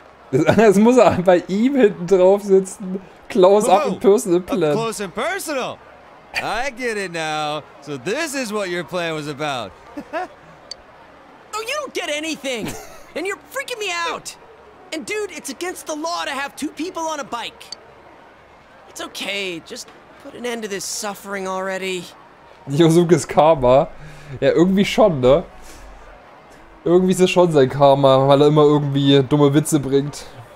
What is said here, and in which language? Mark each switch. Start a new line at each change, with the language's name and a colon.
German: Das muss er bei ihm hinten drauf sitzen.
English: close up and personal plan. Up close and personal. I get it now. So this is what your plan was about. Oh, you don't get anything. And you're freaking me out. And dude, it's against the law to have two people on a bike. It's okay. Just put an end to this suffering already.
German: Yosuke's Karma. Ja, irgendwie schon, ne? Irgendwie ist es schon sein Karma, weil er immer irgendwie dumme Witze bringt.